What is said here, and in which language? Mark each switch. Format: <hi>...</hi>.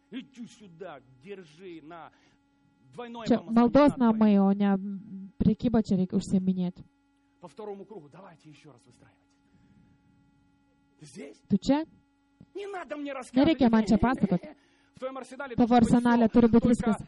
<lt>Idžiu</lt> <ru>сюда, держи на двойное.</ru> <lt>Čia maldos namai, o ne prekyba čia reikia užsiminėti.</lt> <ru>По второму кругу, давайте еще раз выстраивать.</ru> <lt>Tu čia?</lt> <ru>Не надо мне рассказывать.</ru> <lt>Nereikia man čia pasakot.</lt> <ru>В твоем арсенале</ru> <lt>Tavo arsenale turi būti viskas.</lt>